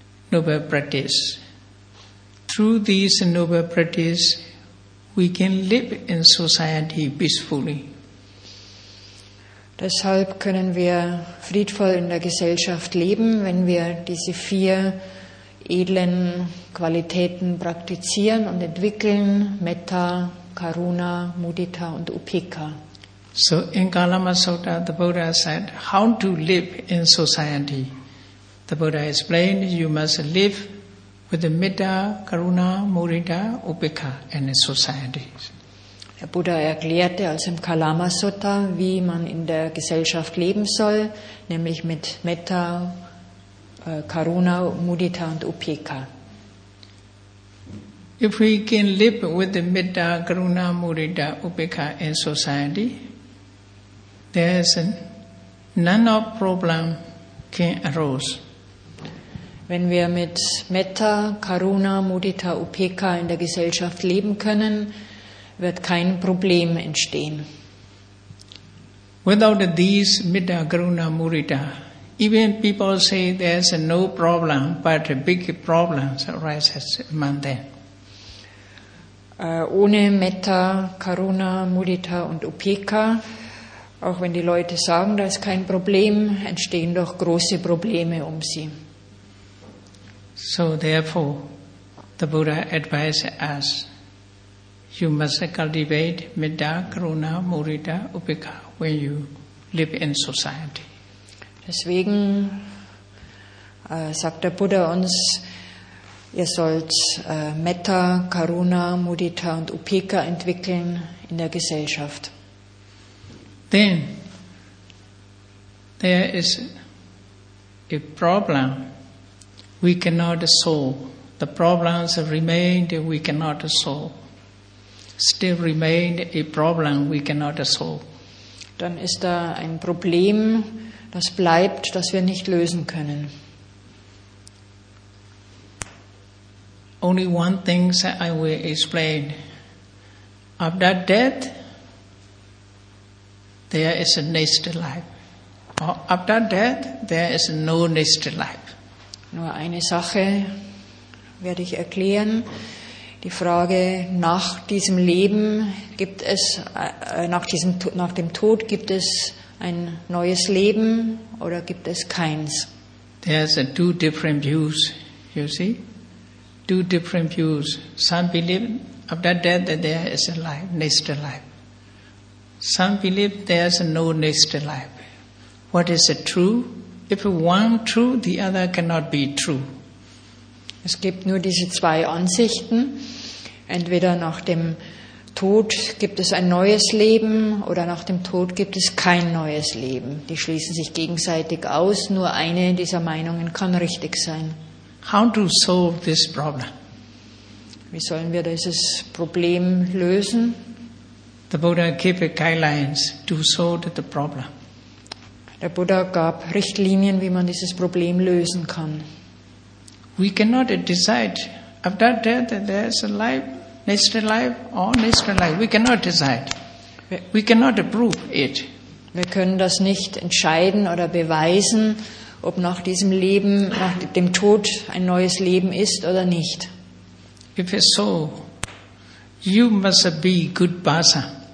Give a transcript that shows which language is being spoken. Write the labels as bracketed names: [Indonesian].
[English] Through these noble practice, we can live in society peacefully. [German] Deshalb können wir friedvoll in der Gesellschaft leben, wenn wir diese vier edlen Qualitäten praktizieren und entwickeln, Metta, Karuna, Mudita und Upeka. [English] So in Kalama Sutta, the Buddha said, how to live in society? The Buddha explained, you must live with the Metta, Karuna, Mudita, Upeka in a society. [German] Der Buddha erklärte also im Kalama Sutta, wie man in der Gesellschaft leben soll, nämlich mit Metta, Karuna, Mudita und Upeka. [English] If we can live with the Metta, Karuna, Mudita, Upeka in society, there's a none of problem can arose. [German] Wenn wir mit Metta, Karuna, Mudita, Upekkha in der Gesellschaft leben können, wird kein Problem entstehen. [English] Without these Metta, Karuna, Mudita, even people say there's no problem, but big problems arise among them. [German] Ohne Metta, Karuna, Mudita und Upekkha, auch wenn die Leute sagen, da ist kein Problem, entstehen doch große Probleme um sie. [English] So therefore, the Buddha advised us, you must cultivate metta, karuna, mudita, upekkha when you live in society. [German] Deswegen sagt der Buddha uns, ihr sollt metta, karuna, mudita und upekkha entwickeln in der Gesellschaft. [English] Then, there is a problem. We cannot solve. The problems remained, we cannot solve. Still remained a problem we cannot solve. [German] Dann ist da ein Problem, das bleibt, das wir nicht lösen können. [English] Only one thing I will explain. After death, there is a next life. Or after death, there is no next life. [German] Nur eine Sache werde ich erklären. Die Frage, nach diesem Leben gibt es, nach dem Tod gibt es ein neues Leben oder gibt es keins? [English] There's two different views, you see? Two different views. Some believe after death that there is a life, next life. Some believe there's no next life. What is true? If one true, the other cannot be true. [German] Es gibt nur diese zwei Ansichten. Entweder nach dem Tod gibt es ein neues Leben oder nach dem Tod gibt es kein neues Leben. Die schließen sich gegenseitig aus. Nur eine dieser Meinungen kann richtig sein. [English] How to solve this problem? [German] Wie sollen wir dieses Problem lösen? [English] The Buddha gave guidelines to solve the problem. [German] Der Buddha gab Richtlinien, wie man dieses Problem lösen kann. [English] We cannot decide after death that there is a life, next life or next life. We cannot decide. We cannot prove it. [German] Wir können das nicht entscheiden oder beweisen, ob nach diesem Leben, nach dem Tod ein neues Leben ist oder nicht. [English] If so, you must be good person.